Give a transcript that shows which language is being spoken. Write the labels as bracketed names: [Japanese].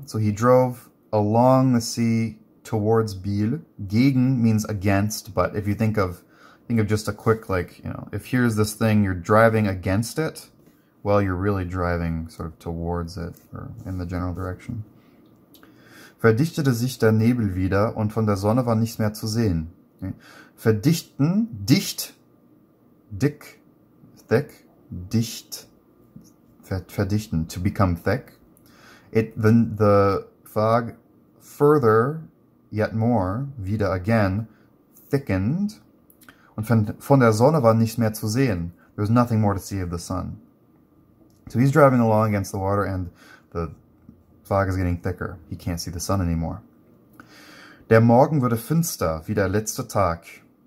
[English] So he drove along the sea towards Biel. Gegen means against, but if you think of just a quick, like, you know, if here's this thing, you're driving against it, well, you're really driving sort of towards it or in the general direction. [German] Verdichtete sich der Nebel wieder und von der Sonne war nichts mehr zu sehen. Verdichten, dicht, dick, [English] thick, [German] dicht, verdichten, [English] to become thick. The fog further, yet more, wieder again, thickened. [German] Und von der Sonne war nichts mehr zu sehen. [English] There was nothing more to see of the sun. So he's driving along against the water and the fog is getting thicker. He can't see the sun anymore. [German] Der Morgen wurde finster wie der letzte Tag.